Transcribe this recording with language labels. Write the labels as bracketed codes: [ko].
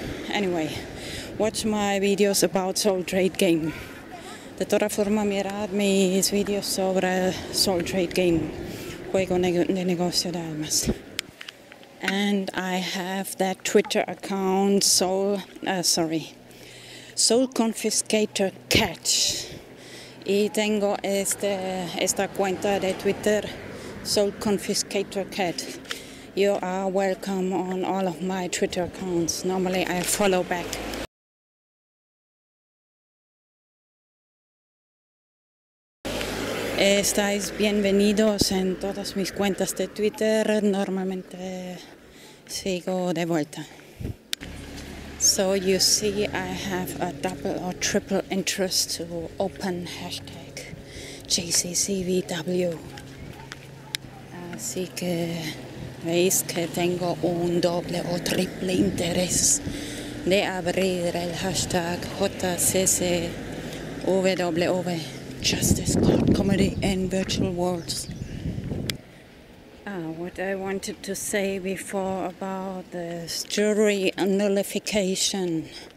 [en] Anyway, watch my videos about Soul Trade Game. [es] De todas formas, mirar mis videos sobre Soul Trade Game, juego de negocio de almas. [en] And I have that Twitter account, Soul Confiscator Catch. [es] Y tengo esta cuenta de Twitter, Soul Confiscator Cat. [en] You are welcome on all of my Twitter accounts. Normally I follow back. [es] Estáis bienvenidos en todas mis cuentas de Twitter. Normalmente sigo de vuelta. [en] So you see, I have a double or triple interest to open hashtag JCCVW. [es] Así que veis que tengo un doble o triple interés de abrir el hashtag JCCVW. [en] Justice Court Comedy in Virtual Worlds. What I wanted to say before about this jury nullification.